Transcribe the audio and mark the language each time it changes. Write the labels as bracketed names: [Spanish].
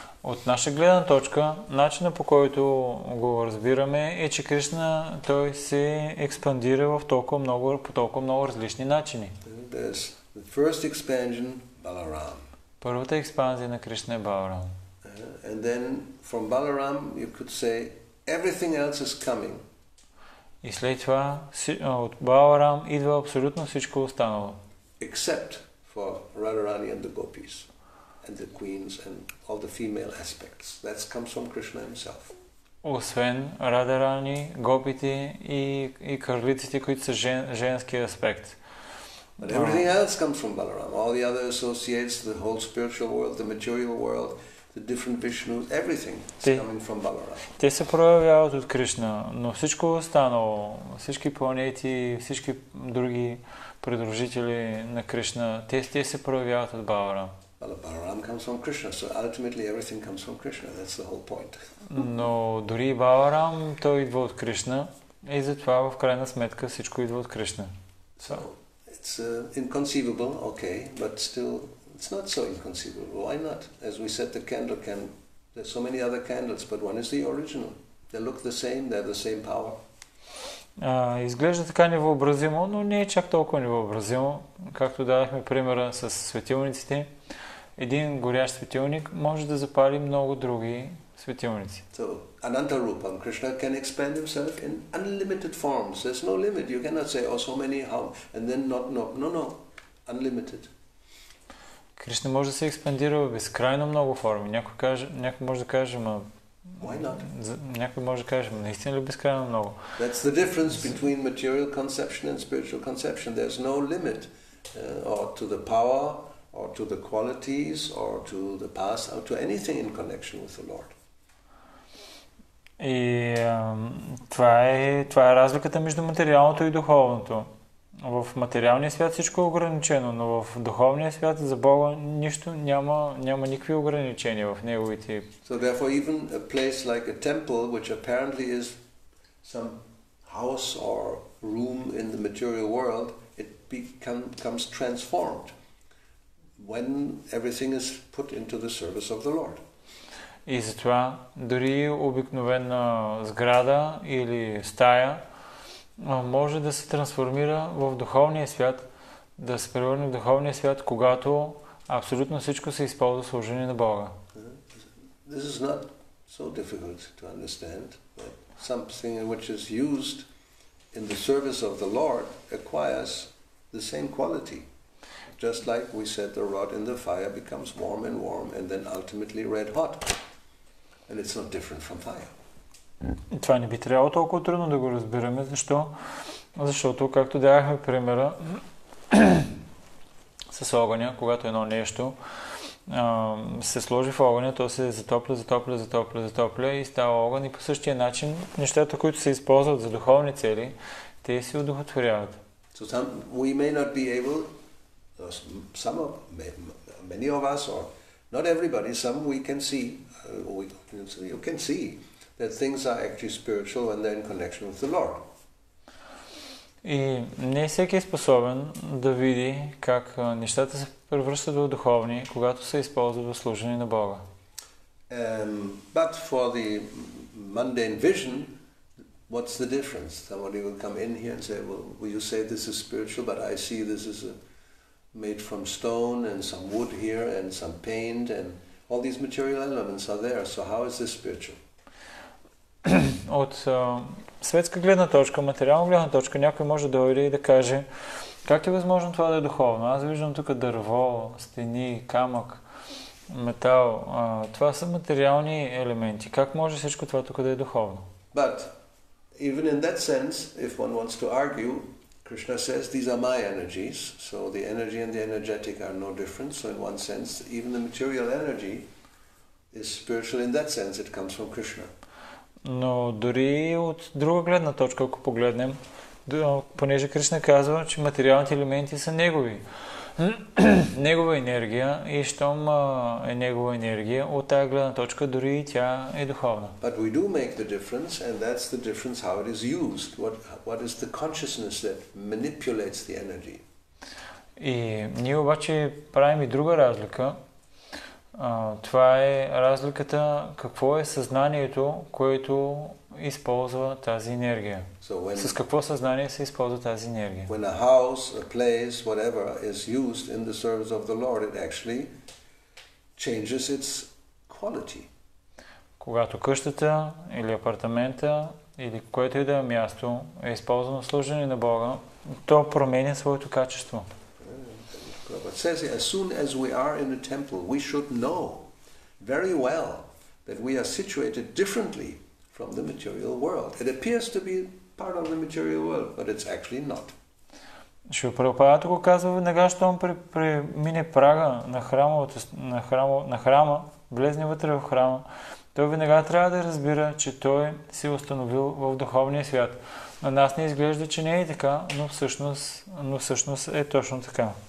[Bulgarian] От наша гледна точка, начина по който го разбираме е, че Кришна той се експандира в толкова много, по толкова много различни начини. [English] There's the first expansion, Balaram. [Bulgarian] Първата експанзия на Кришна е Баларам. [English] And then from Balaram, you could say everything else is coming. И след това от Баларам идва абсолютно всичко останало. Except for Radharani and the gopis and the queens and all the female aspects. That comes from Krishna himself. [Bulgarian] Освен Радарани, гопите и кърлиците, които са женски аспект. [English] But everything else comes from Balaram. All the other associates, the whole spiritual world, the material world, the different Vishnus, everything is coming from Balaram. [Bulgarian] Те се проявяват от Кришна, но всичко останало, всички планети, всички други придружители на Кришна, те се проявяват от Баларам. [English] Баларам comes from Krishna, so ultimately everything comes from Krishna, that's the whole point. [Bulgarian] Но дори Баларам, той идва от Кришна, и затова в крайна сметка всичко идва от Кришна. [English] So it's inconceivable, okay, but still it's not so inconceivable. Why not? As we said, the candle can. There's so many other candles, but one is the original. They look the same. They're the same power. [Bulgarian] Изглежда така невъобразимо, но не е чак толкова невъобразимо. Както дадохме примера с светилниците, един горящ светилник може да запали много други светилници. [English] So, Ananta Rupam, Krishna can expand himself in unlimited forms. There's no limit. You cannot say, oh, so many, how, and then not, no, no, no, unlimited. [Bulgarian] Кришна може да се експандира в безкрайно много форми. Някой може да каже, ама... [English] Why not? [Bulgarian] Някой може да каже, ама наистина ли безкрайно много? [English] That's the difference between material conception and spiritual conception. There's no limit or to the power or to the qualities or to the past or to anything in connection with the Lord. [Bulgarian] И това е разликата между материалното и духовното. В материалния свят всичко е ограничено, но в духовния свят за Бога нищо няма никакви ограничения в неговите. [English] So therefore even a place like a temple, which apparently is some house or room in the material world, it becomes transformed when everything is put into the service of the Lord. [Bulgarian] И затова дори обикновена сграда или стая може да се трансформира в духовния свят, да се превърне в духовния свят, когато абсолютно всичко се използва служение на Бога. [English] This is not so difficult to understand, but something which is used in the service of the Lord acquires the same quality. just like we said, the rod in the fire becomes warm and warm and then ultimately red hot. And it's not different from fire. [Bulgarian] Това не би трябвало толкова трудно да го разбираме. Защо? Защото, както дадохме примера с огъня, когато едно нещо се сложи в огъня, то се затопля и става огън. И по същия начин нещата, които се използват за духовни цели, те се одухотворяват. [English] So some we may not be able, some of, many of us, or not everybody, some we can see that things are actually spiritual when they're in connection with the Lord. [Bulgarian] И не всеки е способен да види как нещата се превръщат в духовни, когато се използват в служение на Бога. [English] But for the mundane vision, what's the difference? Somebody will come in here and say, well, you say this is spiritual, but I see this is made from stone and some wood here and some paint and all these material elements are there. So how is this spiritual? [Bulgarian] От светска гледна точка, материална гледна точка, някой може да дойде и да каже, как е възможно това да е духовно? Аз виждам тук дърво, стени, камък, метал. Това са материални елементи. Как може всичко това тук да е духовно? [English] But even in that sense, if one wants to argue, Krishna says these are my energies, so the energy and the energetic are no different. So in one sense, even the material energy is spiritual in that sense, it comes from Krishna. [Bulgarian] Но дори от друга гледна точка, ако погледнем, понеже Кришна казва, че материалните елементи са негови. Негова енергия и щом е негова енергия, от тая гледна точка дори и тя е духовна. [English] But we do make the difference, and that's the difference how it is used. What is the consciousness that manipulates the energy? [Bulgarian] И ние обаче правим и друга разлика. Това е разликата какво е съзнанието, което използва тази енергия. [English] So when, [Bulgarian] с какво съзнание се използва тази енергия? [English] When a house, a place, whatever is used in the service of the Lord, it actually changes its quality. [Bulgarian] Когато къщата или апартамента или което и да е място е използвано в служение на Бога, то променя своето качество. [English] But says as soon as we are in a temple, we should know very well that we are situated differently from the material world. It appears to be part of the material world, but it's actually not. [Bulgarian] Шри Прабхупада го казва веднага, що он премине прага на храма, влезне вътре в храма, той веднага трябва да разбира, че той се установил в духовния свят. На нас не изглежда, че не е така, но всъщност е точно така.